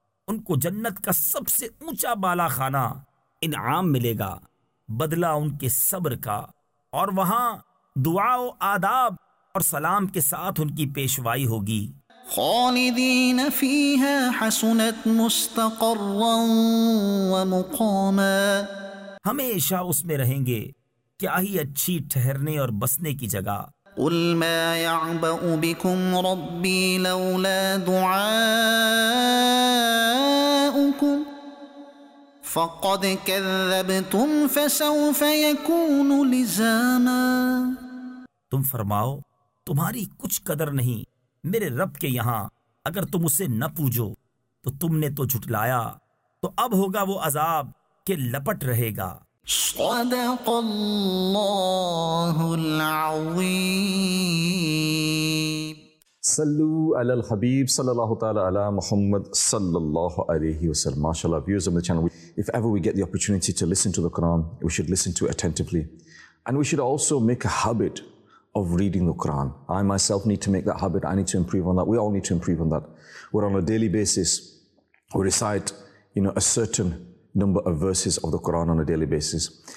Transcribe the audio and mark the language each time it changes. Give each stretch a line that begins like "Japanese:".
Urdu: ان کو جنت کا سب سے اونچا بالا خانہ انعام ملے گا بدلہ ان کے صبر کا اور وہاں دعا و آداب اور سلام کے ساتھ ان کی پیشوائی ہوگی.
Arabic: خالدین فیہا حسنت مستقرا ومقاما
Urdu: ہمیشہ اس میں رہیں گے کیا ہی اچھی ٹھہرنے اور بسنے کی جگہ.
Arabic: قل ما یعبأ بکم ربی لولا دعاؤکم فقد کذبتم فسوف یکون لزاما
Urdu: تم فرماؤ تمہاری کچھ قدر نہیں میرے رب کے یہاں اگر تم اسے نہ پوجو تو تم نے تو جھٹلایا تو اب ہوگا وہ عذاب کہ لپٹ رہے گا.
Arabic: صدق اللہ العظیم. صلو علی الحبیب صلی اللہ تعالی علی محمد صلی اللہ علیہ وسلم.
English: ماشاءاللہ viewers of the channel, if ever we get the opportunity to listen to the Quran, we should listen to it attentively, and we should also make a habit of reading the Quran. I myself need to make that habit. I need to improve on that. We all need to improve on that. We're on a daily basis, we recite, you know, a certain number of verses of the Quran on a daily basis.